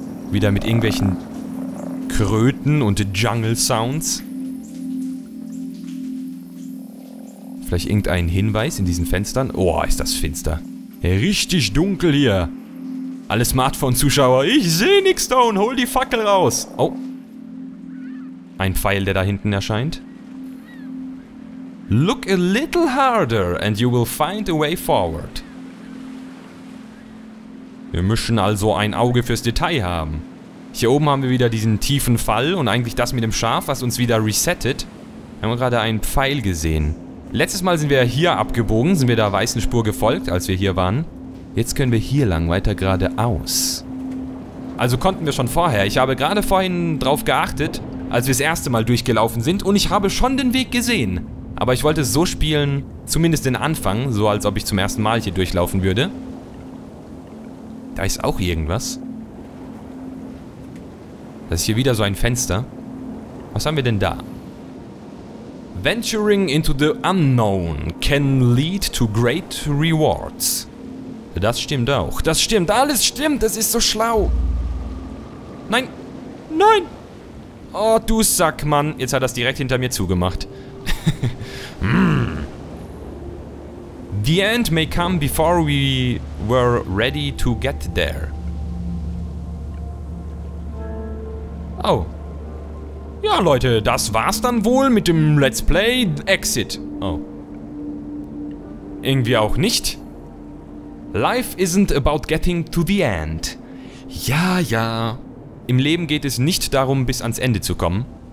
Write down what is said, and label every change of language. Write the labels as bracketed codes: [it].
[de] Wieder mit irgendwelchen Kröten und Jungle-Sounds. Vielleicht irgendein Hinweis in diesen Fenstern? Oh, ist das finster. Richtig dunkel hier. Alle Smartphone-Zuschauer, ich sehe nichts da und hol die Fackel raus. Oh. Ein Pfeil, der da hinten erscheint. [en] Look a little harder and you will find a way forward. [de] Wir müssen also ein Auge fürs Detail haben. Hier oben haben wir wieder diesen tiefen Fall und eigentlich das mit dem Schaf, was uns wieder resettet. Wir haben gerade einen Pfeil gesehen. Letztes Mal sind wir hier abgebogen, sind wir der weißen Spur gefolgt, als wir hier waren. Jetzt können wir hier lang, weiter geradeaus. Also konnten wir schon vorher. Ich habe gerade vorhin drauf geachtet, als wir das erste Mal durchgelaufen sind und ich habe schon den Weg gesehen. Aber ich wollte es so spielen, zumindest den Anfang, so als ob ich zum ersten Mal hier durchlaufen würde. Da ist auch irgendwas. Das ist hier wieder so ein Fenster. Was haben wir denn da? [en] Venturing into the unknown can lead to great rewards. [de] Das stimmt auch. Das stimmt. Alles stimmt. Das ist so schlau. Nein. Nein. Oh, du Sackmann. Jetzt hat das direkt hinter mir zugemacht. [en] The end may come before we were ready to get there. Oh. [de] Ja, Leute, das war's dann wohl mit dem Let's Play Exit. [en] Oh. [de] Irgendwie auch nicht. [en] Life isn't about getting to the end. [de] Ja, ja. Im Leben geht es nicht darum, bis ans Ende zu kommen.